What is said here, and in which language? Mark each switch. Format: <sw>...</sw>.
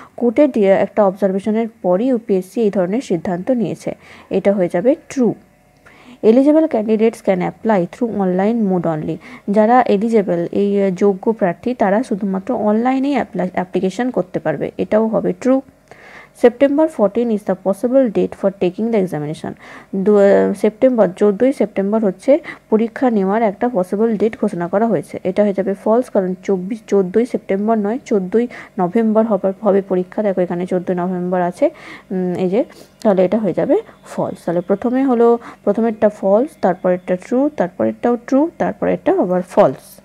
<bn>কোর্টের একটা অবজারভেশনের পরই ইউপিএসসি এই ধরনের সিদ্ধান্ত নিয়েছে, এটা হয়ে যাবে true.</bn> <en>Eligible candidates can apply through online mode only.</en> <bn>যারা এলিজেবল এই যোগ্য প্রার্থী, তারা শুধুমাত্র অনলাইনেই অ্যাপ্লিকেশন করতে পারবে, এটাও হবে true.</bn> <en>September 14 is the possible date for taking the examination.</en> <bn>September 14 September হচ্ছে পরীক্ষা নেওয়ার একটা পসিবল ডেট ঘোষণা করা হয়েছে, এটা হয়ে যাবে ফলস। কারণ 14 সেপ্টেম্বর নয়, 14 নভেম্বর হবে পরীক্ষা। দেখো এখানে 14 নভেম্বর আছে, এই যে, তাহলে এটা হয়ে যাবে ফলস। তাহলে প্রথমে হলো প্রথমেরটা ফলস, তারপরেরটা ট্রু, তারপরেরটাও ট্রু, তারপরেরটা আবার ফলস।</bn>